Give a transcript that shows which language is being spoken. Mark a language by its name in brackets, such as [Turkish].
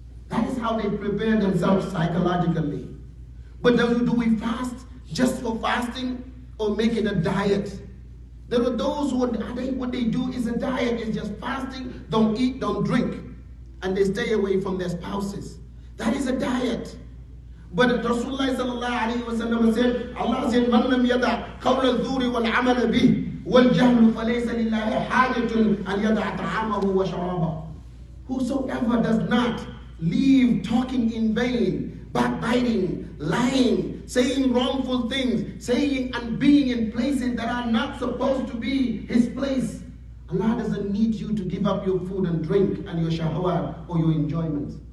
[English] That is how they prepare themselves psychologically. But do we fast just for fasting or make it a diet? There are those who, what they do is a diet, is just fasting, don't eat, don't drink, and they stay away from their spouses. That is a diet. But Rasulullah sallallahu alayhi wa sallam said, Allah said, [Arabic] مَنْ لَمْ يَدَعْ قَوْلَ الذُّورِ وَالْعَمَلَ بِهِ وَالْجَهْلُ فَلَيْسَ لِلَّهِ حَاجَةٌ أَنْ يَدَعْ طَعَامَهُ وَشَرَابَهُ. [English] Whosoever does not Leave talking in vain, backbiting, lying, saying wrongful things, saying and being in places that are not supposed to be his place. Allah doesn't need you to give up your food and drink and your shahwa or your enjoyments.